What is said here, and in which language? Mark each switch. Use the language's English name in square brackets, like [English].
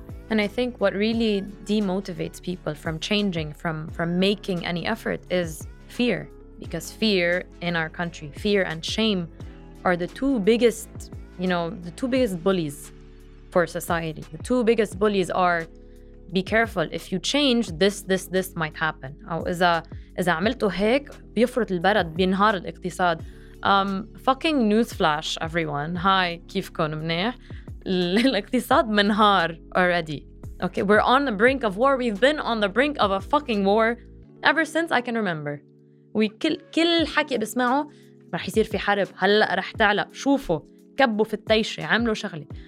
[English] And I think what really demotivates people from changing, from making any effort, is fear. Because fear in our country, fear and shame are the two biggest, you know, the two biggest bullies for society. The two biggest bullies are, be careful, if you change, this might happen. [Arabic] أو إذا عملتوا هيك بيفرط البلد بينهار الاقتصاد. [English] Fucking newsflash, everyone. [Arabic] Hi, كيفكم منيح؟ الاقتصاد منهار already. [English] Okay, we're on the brink of war. We've been on the brink of a fucking war ever since I can remember. [Arabic] وكل حكي بسمعه رح يصير في حرب. هلأ رح تعلق. شوفوا كبوا في التيشة عملوا شغلة.